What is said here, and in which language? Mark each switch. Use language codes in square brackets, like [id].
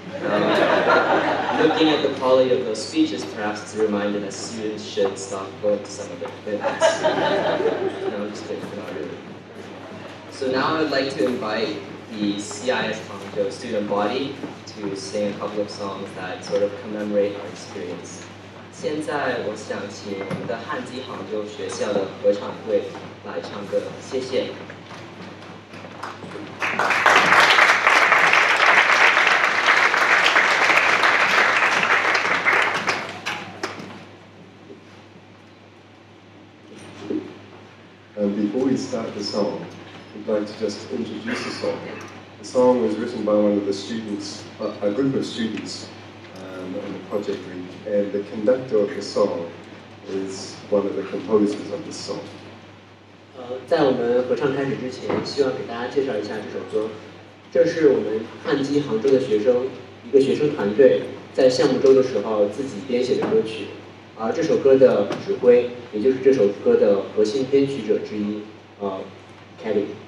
[en] Looking at the quality of those speeches, perhaps it's a reminder that students should stop going to some of their commitments. No, I'm just kidding, not really. So now I'd like to invite the CIS Hangzhou student body to sing a couple of songs that sort of commemorate our experience. [zh] 现在我想请我们的汉基杭州学校的合唱队来唱歌，谢谢。 [en] And before we start the song, we'd like to just introduce the song. The song was written by one of the students, a group of students on the project week, and the conductor of the song is one of the composers of the song. [zh] 在我们合唱开始之前，希望给大家介绍一下这首歌。这是我们汉基杭州的学生一个学生团队在项目周的时候自己编写的歌曲，而这首歌的指挥，也就是这首歌的核心编曲者之一，Kelly。